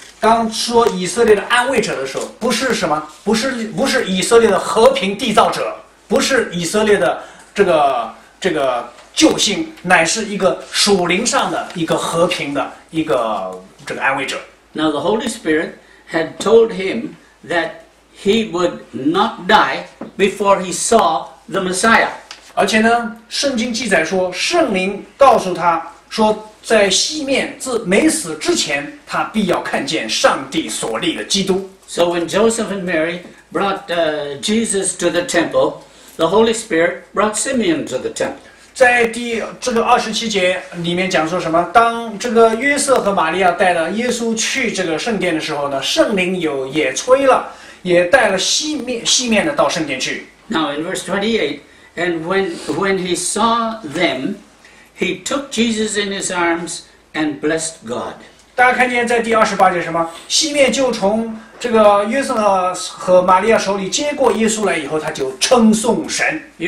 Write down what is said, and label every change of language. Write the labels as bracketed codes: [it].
[zh] 当说以色列的安慰者的时候，不是什么？不是以色列的和平缔造者，不是以色列的这个救星，乃是一个属灵上的一个和平的一个这个安慰者。 [en] Now the Holy Spirit had told him that he would not die before he saw the Messiah. [zh] 而且呢，圣经记载说，圣灵告诉他说，在西面自没死之前，他必要看见上帝所立的基督。 [en] So when Joseph and Mary brought Jesus to the temple, the Holy Spirit brought Simeon to the temple. [zh] 在第这个二十七节里面讲说什么？当这个约瑟和玛利亚带了耶稣去这个圣殿的时候呢，圣灵有也催了，也带了西面的到圣殿去。 [en] Now in verse 28. And when he saw them, he took Jesus in his arms and blessed God. [zh] 大家看见在第二十八节什么？西面就从这个约瑟和玛利亚手里接过耶稣来以后，他就称颂神。